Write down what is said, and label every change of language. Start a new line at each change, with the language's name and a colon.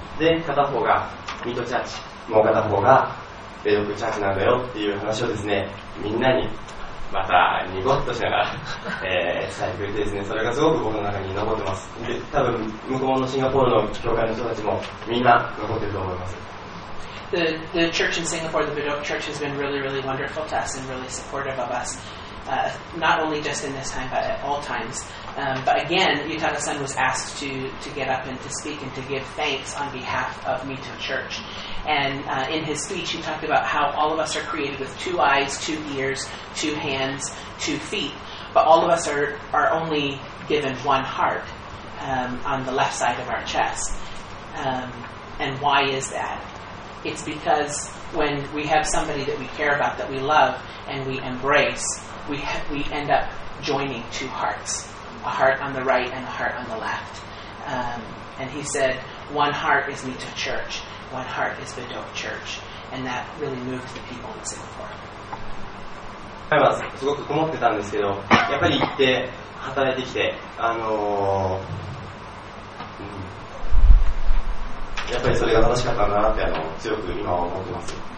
Japanese: で、片方がミートチャーチ、もう片方がベドクチャーチなんだよっていう話をですね、みんなにまたニゴッとしながら伝えてくれてですね、それがすごく僕の中に残ってます。で、多分向こうのシンガポールの教会の人たちもみんな残ってると思います。
English: The church in Singapore, the Bedok church has been really really wonderful to us and really supportive of us, not only just in this time but at all times. But again, Yutaka-san was asked to get up and to speak and to give thanks on behalf of Mito Church. And in his speech, he talked about how all of us are created with two eyes, two ears, two hands, two feet, but all of us are only given one heart on the left side of our chest. And why is that? It's because when we have somebody that we care about, that we love, and we embrace, we end up joining two hearts. A heart on the right and a heart on the left. And he said, one heart is Mito Church, one heart is Bedok Church. And that really moved the people in Singapore. I was
Japanese: すごくこもってたんですけど、やっぱり行って働いてきて、やっぱりそれが正しかったんだなって強く今は思ってます。